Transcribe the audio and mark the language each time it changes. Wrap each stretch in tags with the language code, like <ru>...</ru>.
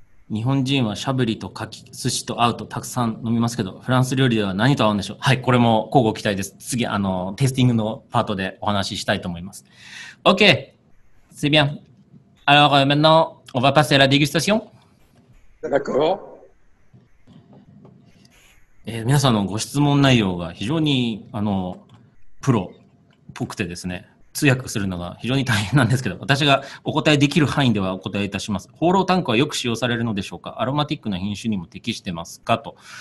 <ja>日本人はしゃぶりと牡蠣、寿司と合うとたくさん飲みますけど、フランス料理では何と合うんでしょう。はい、これも乞うご期待です。次、テイスティングのパートでお話ししたいと思います。</ja> <fr>OK! C'est bien! Alors, maintenant, on va passer à la dégustation? D'accord.</fr> <ja>皆さんのご質問内容が非常にプロっぽくてですね、通訳するのが非常に大変なんですけど、私がお答えできる範囲ではお答えいたします。ホーロータンクはよく使用されるのでしょうか、アロマティックな品種にも適してますかと。</ja>